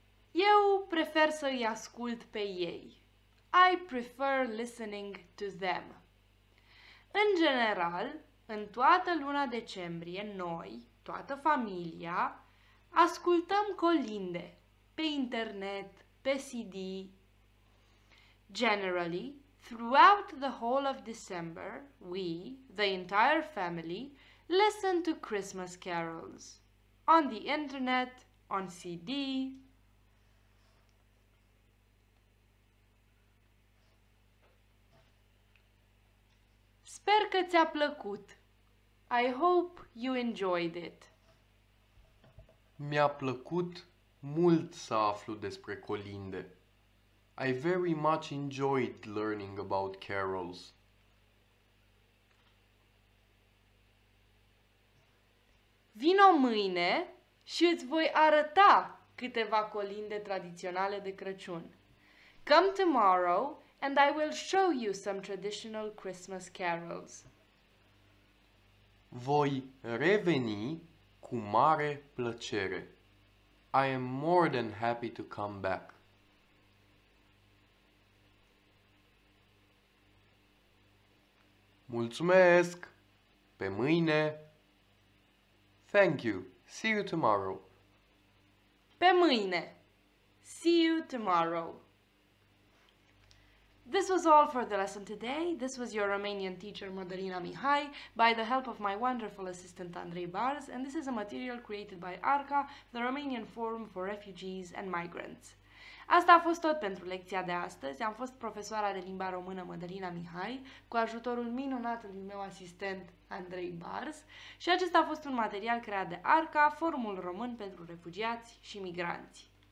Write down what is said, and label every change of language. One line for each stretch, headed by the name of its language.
Romanian: Eu prefer să îi ascult pe ei.
English: I prefer listening to them.
Romanian: În general, în toată luna decembrie, noi, toată familia, ascultăm colinde pe internet, pe CD.
English: Generally, throughout the whole of December, we, the entire family, listen to Christmas carols on the internet, on CD.
Romanian: Sper că ți-a plăcut.
English: I hope you enjoyed it.
Romanian: Mi-a plăcut mult să aflu despre colinde.
English: I very much enjoyed learning about carols.
Romanian: Vino mâine și îți voi arăta câteva colinde tradiționale de Crăciun.
English: Come tomorrow and I will show you some traditional Christmas carols.
Romanian: Voi reveni cu mare plăcere.
English: I am more than happy to come back.
Romanian: Mulțumesc! Pe mâine!
English: Thank you! See you tomorrow!
Romanian: Pe mâine!
English: See you tomorrow! This was all for the lesson today. This was your Romanian teacher, Madalina Mihai, by the help of my wonderful assistant, Andrei Bars, and this is a material created by ARCA, the Romanian Forum for Refugees and Migrants.
Romanian: Asta a fost tot pentru lecția de astăzi. Am fost profesoara de limba română, Madalina Mihai, cu ajutorul minunatului meu asistent, Andrei Bars, și acesta a fost un material creat de ARCA, Forumul Român pentru Refugiați și Migranți.